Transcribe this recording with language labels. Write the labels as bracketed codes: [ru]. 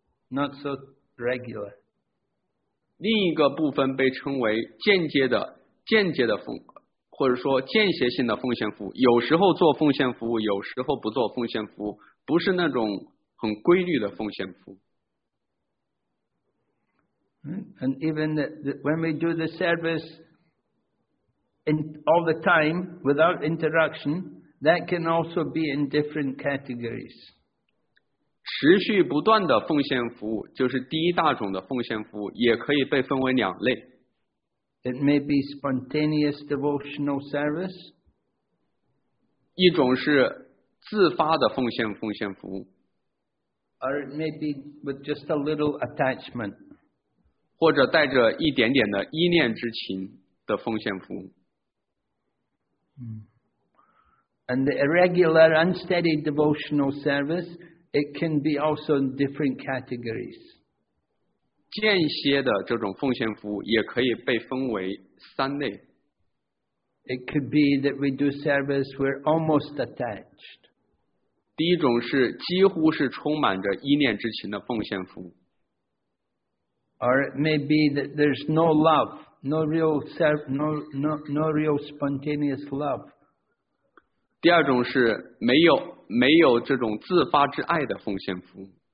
[en] Not so regular. [zh] 另一个部分被称为间接的奉，或者说间歇性的奉献服务。有时候做奉献服务，有时候不做奉献服务，不是那种很规律的奉献服务。 [en] And even when we do the service in all the time without interruption, that can also be in different categories. [zh] 持续不断的奉献服务就是第一大种的奉献服务，也可以被分为两类。 [en] It may be spontaneous devotional service. [zh] 一种是自发的奉献服务。 [en] Or it may be with just a little attachment. [zh] 或者带着一点点的依恋之情的奉献服务。 [en] And the irregular, unsteady devotional service, it can be also in different categories. [zh] 间歇的这种奉献服务也可以被分为三类。 [en] It could be that we do service, we're almost attached. [zh] 第一种是几乎是充满着依恋之情的奉献服务。 [en] Or it may be that there's no love, no real spontaneous love. [zh] 第二种是没有这种自发之爱的奉献服务。